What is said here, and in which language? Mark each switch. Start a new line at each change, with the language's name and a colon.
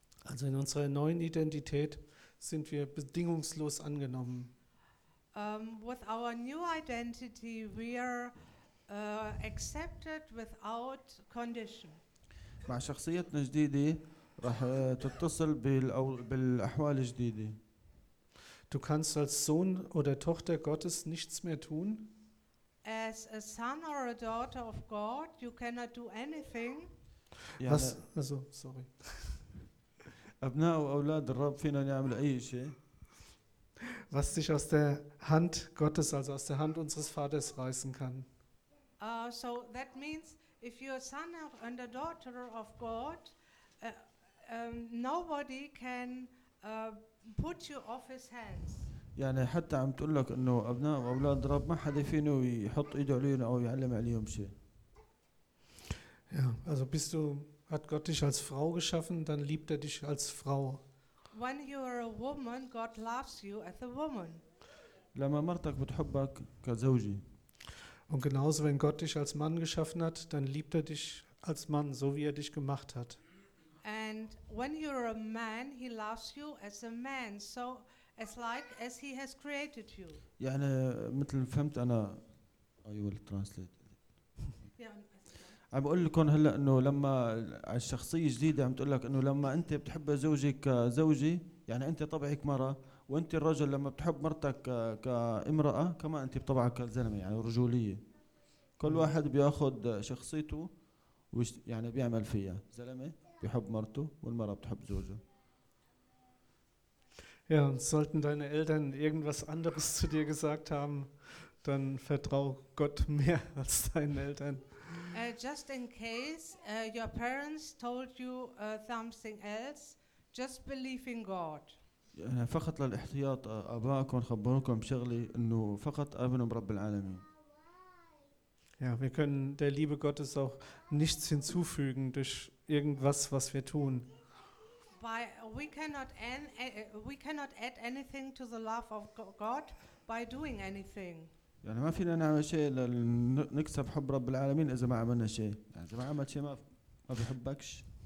German: Also in unserer neuen Identität sind wir bedingungslos angenommen.
English: With our new identity we are accepted without condition.
Arabic: مع شخصيتنا الجديدة راح تتصل بالأحوال الجديدة.
German: Du kannst als Sohn oder Tochter Gottes nichts mehr tun.
English: As a son or a daughter of God you cannot do anything.
German: Was? Also, sorry.
Arabic: أبناء وأولاد الرب فينا نعمل أي شيء.
German: Was sich aus der Hand Gottes, also aus der Hand unseres Vaters reißen kann.
English: So that means, if you're a son and a daughter of God, nobody can put you off his hands.
Arabic: يعني حتى عم تقول لك إنه أبناء وأولاد الرب ما حد فينا يحط إيده عليهم أو يعلم عليهم شيء.
German: Ja, also bist du, hat Gott dich als Frau geschaffen, dann liebt er dich als Frau.
English: When you are a woman, God loves you as a woman.
Arabic: لما مرتك بتحبك كزوجي.
German: Und genauso, wenn Gott dich als Mann geschaffen hat, dann liebt er dich als Mann, so wie er dich gemacht hat.
English: And when you are a man, he loves you as a man, so as like as he has created you.
Arabic: يعني مثل فهمت أنا,
English: I will translate.
Arabic: عم بقول لكم هلا انه لما على الشخصيه الجديده عم تقول لك انه لما انت بتحب زوجك زوجي يعني انت طبعك مره وانت الرجل لما بتحب مرتك كامراه كمان انت بطبعك كزلمه يعني رجوليه كل واحد بياخذ شخصيته يعني بيعمل فيها زلمه بيحب مرته والمره بتحب زوجها
German: يا sollten deine eltern irgendwas anderes zu dir gesagt haben dann vertrau gott mehr als deinen eltern
English: Just in case your parents told you something else, just believe in God.
Arabic: يعني فقط للاحتياط أباكم خبركم شغلي إنه فقط آمنوا برب العالمين.
German: Ja, wir können der Liebe Gottes auch nichts hinzufügen durch irgendwas, was wir tun.
English: We cannot add anything to the love of God by doing anything.
Arabic: يعني ما فينا نعمل شيء لنكسب حب رب العالمين إذا ما عملنا شيء. يعني إذا ما عملت شيء ما بيحبكش.